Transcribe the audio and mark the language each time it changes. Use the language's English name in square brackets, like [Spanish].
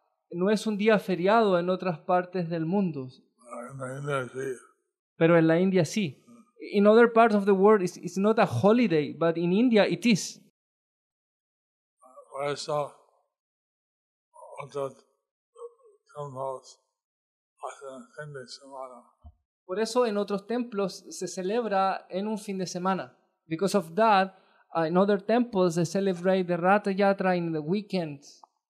[Spanish] No es un día feriado en otras partes del mundo. En la India sí. Pero en la India sí. [English] In other parts of the world, it's not a holiday, but in India it is. [Spanish] Por eso, otros templos hacen el fin de semana. Por eso en otros templos se celebra en un fin de semana. [English] Because of that, in other temples they celebrate the Ratha Yatra in the weekends.